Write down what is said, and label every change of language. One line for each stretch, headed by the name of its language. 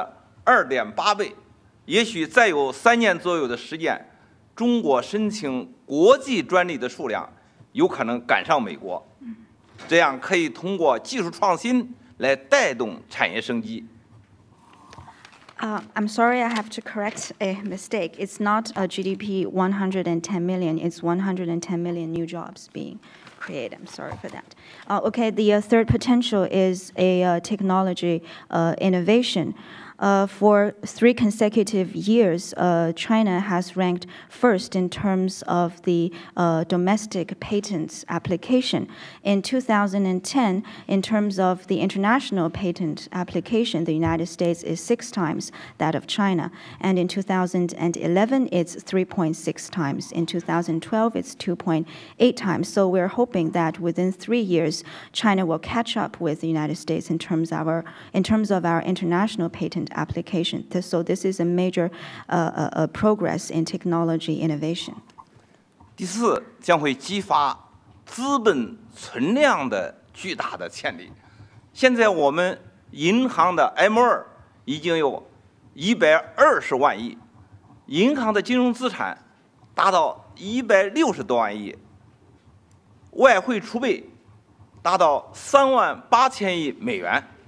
Chinese: 2012年是我们的2.8倍。也许再有3年左右的时间，中国申请国际专利的数量有可能赶上美国，这样可以通过技术创新来带动产业升级。
English: I'm sorry, I have to correct a mistake. It's not a GDP 110 million. It's 110 million new jobs being created. I'm sorry for that. Okay, the third potential is a technology innovation. For three consecutive years, China has ranked first in terms of the domestic patents application. In 2010, in terms of the international patent application, the United States is 6 times that of China. And in 2011, it's 3.6 times. In 2012, it's 2.8 times. So we're hoping that within 3 years, China will catch up with the United States in terms of our international patent application. Application. So this is a major progress in technology innovation.
Chinese: 第四，将会激发资本存量的巨大的潜力。现在我们银行的 M2 已经有120万亿，银行的金融资产达到160多万亿，外汇储备达到38000亿美元。